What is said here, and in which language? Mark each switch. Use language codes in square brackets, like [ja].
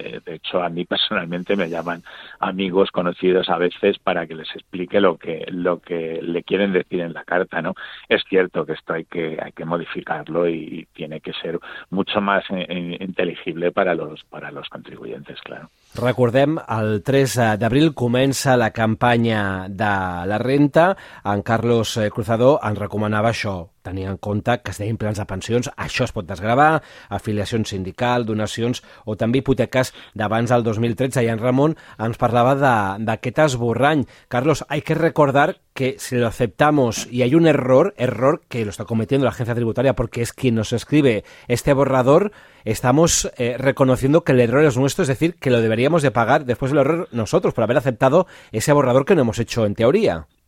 [es] De hecho, a mí personalmente me llaman amigos, conocidos a veces para que les explique lo que le quieren decir en la carta, ¿no? Es cierto que esto hay que modificarlo y tiene que ser mucho más inteligible para los contribuyentes, claro. [ca] Recordem, el 3 d'abril comença la campanya de la renta. En Carlos Cruzado ens recomanava això, tenint en compte que es deien plans de pensions, això es pot desgravar, afiliacions sindical, donacions o també hipoteques d'abans del 2013. I en Ramon ens parlava d'aquest esborrany. [es] Carlos, hay que recordar que si lo aceptamos y hay un error que lo está cometiendo la agencia tributaria porque es quien nos escribe este borrador, estamos reconociendo que el error es nuestro, es decir, que lo deberíamos de pagar después del error nosotros por haber aceptado ese borrador que no hemos hecho en teoría.